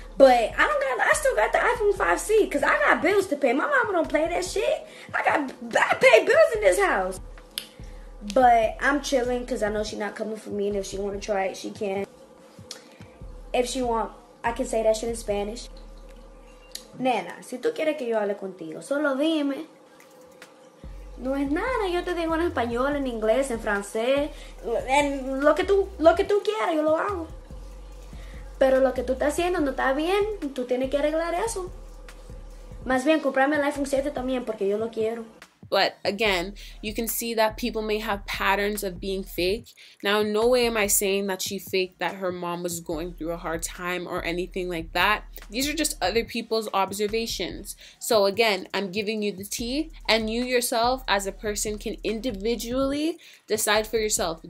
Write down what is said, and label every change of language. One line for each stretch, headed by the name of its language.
English: But I still got the iPhone 5C because I got bills to pay. My mama don't play that shit. I pay bills in this house. But I'm chilling because I know she's not coming for me, and if she want to try it, she can. If she want, I can say that shit in Spanish.
Spanish: Nena, si tú quieres que yo hable contigo, solo dime. No es nada, yo te digo en español, en inglés, en francés, en lo que tú quieras, yo lo hago. Pero lo que tú estás haciendo no está bien, tú tienes que arreglar eso. Más bien, comprame el iPhone 7 también, porque yo lo quiero.
English: But again, you can see that people may have patterns of being fake. Now, in no way am I saying that she faked that her mom was going through a hard time or anything like that. These are just other people's observations. So again, I'm giving you the tea, and you yourself as a person can individually decide for yourself.